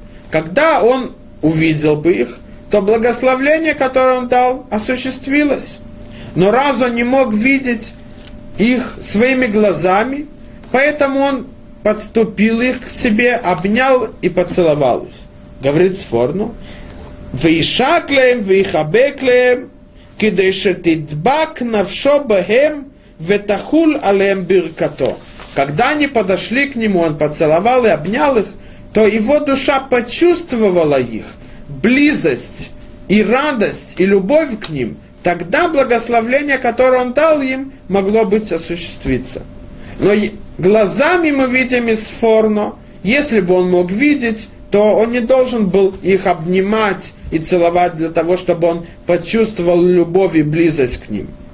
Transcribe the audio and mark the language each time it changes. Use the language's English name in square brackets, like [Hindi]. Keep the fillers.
[Russian] Когда он увидел бы их, то благословление, которое он дал, осуществилось. Но раз он не мог видеть их своими глазами, поэтому он подступил их к себе, обнял и поцеловал их. [Hebrew] Говорит Сфорну, וישק להם ויחבק להם, כדי שתדבק נפשו בהם ותחול עליהם ברכתו. [Russian] Когда они подошли к нему, он поцеловал и обнял их, то его душа почувствовала их, близость и радость и любовь к ним. Тогда благословление, которое он дал им, могло быть осуществиться. Но глазами мы видим из Форно, если бы он мог видеть, то он не должен был их обнимать и целовать для того, чтобы он почувствовал любовь и близость к ним.